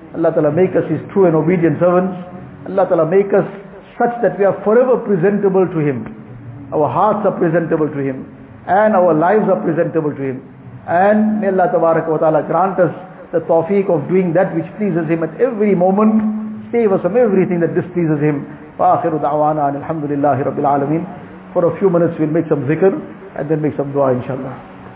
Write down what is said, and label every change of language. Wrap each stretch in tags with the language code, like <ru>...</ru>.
<en>Allah ta'ala make us His true and obedient servants. Allah ta'ala make us such that we are forever presentable to Him. Our hearts are presentable to Him. And our lives are presentable to Him. And may Allah tabaraka wa ta'ala grant us the tawfiq of doing that which pleases Him at every moment. Save us from everything that displeases Him.</en> <ar>وآخر دعوانا أن الحمد لله رب العالمين.</ar> <en>For a few minutes we'll make some zikr and then make some dua inshallah.</en>